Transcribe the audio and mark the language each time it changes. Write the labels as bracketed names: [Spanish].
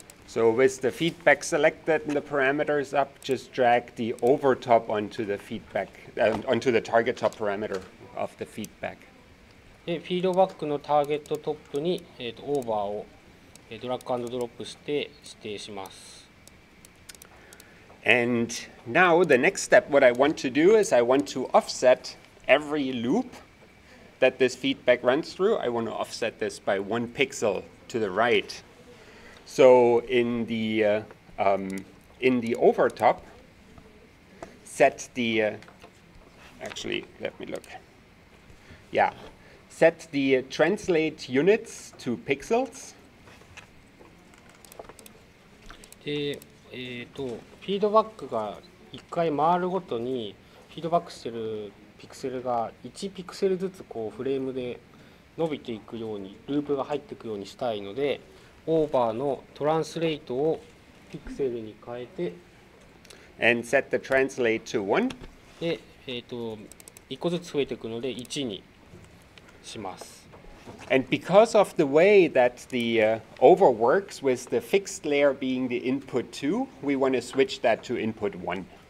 [English] So with the feedback selected and the parameters up, just drag the over top onto the feedback, onto the target top parameter of the feedback. [Japanese] で、フィードバックのターゲットトップに、オーバーをドラッグ&ドロップして指定します。 [English] And now the next step, what I want to do is I want to offset every loop. That this feedback runs through, I want to offset this by one pixel to the right. So in the over top, set the actually let me look. Yeah, set the translate units to pixels. [Japanese] で、フィードバックが一回回るごとにフィードバックしてる。ピクセルが1ピクセルずつこうフレームで伸びていくようにループが入っていくようにしたいのでオーバーのトランスレートをピクセルに変えて [English] And set the translate to 1. [Japanese] で、1個ずつ増えていくので1にします。 [English] And because of the way that the over works with the fixed layer being the input 2, we want to switch that to input 1.